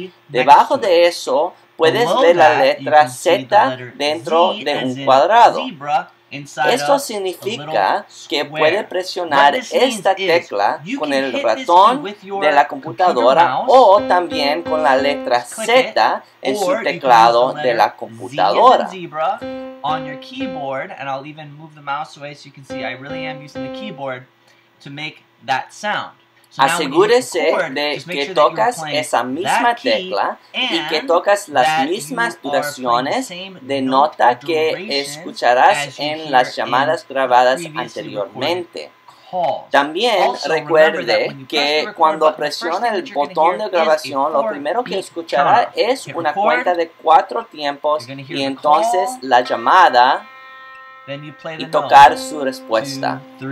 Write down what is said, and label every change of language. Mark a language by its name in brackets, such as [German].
[Spanish] Debajo de eso, puedes ver la letra Z dentro de un cuadrado. Esto significa que puede presionar esta tecla con el ratón de la computadora o también con la letra Z en su teclado de la computadora. [English] On your keyboard, and I'll even move the mouse away so you can see I really am using the keyboard to make that sound. [Spanish] Asegúrese de que tocas esa misma tecla y que tocas las mismas duraciones de nota que escucharás en las llamadas grabadas anteriormente. También recuerde que cuando presiona el botón de grabación, lo primero que escuchará es una cuenta de 4 tiempos y entonces la llamada y tocar su respuesta.